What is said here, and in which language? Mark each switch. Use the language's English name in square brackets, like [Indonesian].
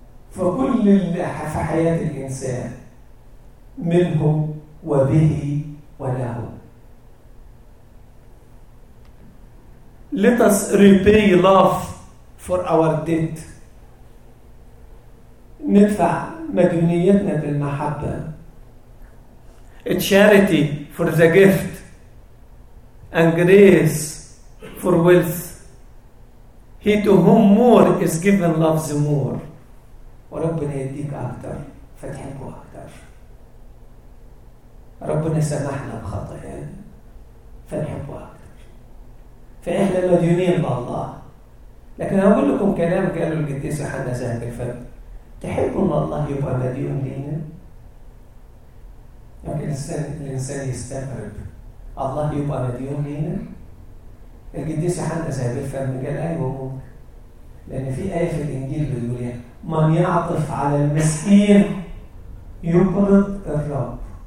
[Arabic] فكل في حياة الإنسان منه وبه وله. [English] Let us repay love for our debt. [Arabic] ندفع مديونيتنا بالمحبة. [English] A charity for the gift and grace for wealth. He to whom more is given loves more. [Arabic] وربنا يديك أكثر فتحبه أكثر. ربنا سمحنا بخطئين فنحبه أكثر. فإحنا مديونين بالله، لكن أقول لكم كلام قالوا القديس يوحنا ذهب الفرد. تحبون الله يبقى مديون لنا؟ ممكن الإنسان يستغرب، الله يبقى مديون لنا؟ القديس يوحنا ذهب الفرد قال أيوة ممكن، لأن في آية في الإنجيل بيقول يعني من يعطف على المسكين يقرض الرب.